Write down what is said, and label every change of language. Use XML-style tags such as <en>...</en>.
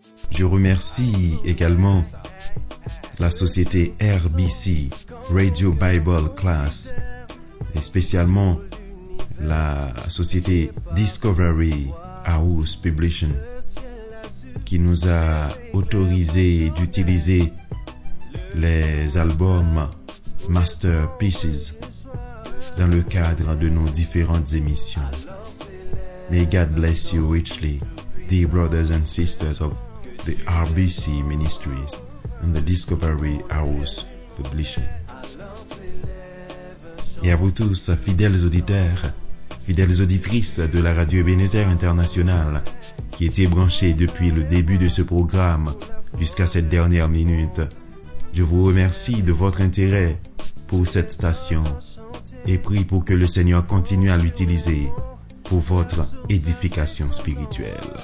<fr>Je remercie également la société RBC, Radio Bible Class, et spécialement la société Discovery House Publishing qui nous a autorisé d'utiliser les albums Masterpieces dans le cadre de nos différentes émissions.</fr> <en>May God bless you richly, dear brothers and sisters of the RBC Ministries and the Discovery House Publishing.</en> <fr>Et à vous tous, fidèles auditeurs, fidèles auditrices de la radio Ebenezer International qui étaient branchées depuis le début de ce programme jusqu'à cette dernière minute, je vous remercie de votre intérêt pour cette station et prie pour que le Seigneur continue à l'utiliser pour votre édification spirituelle.</fr>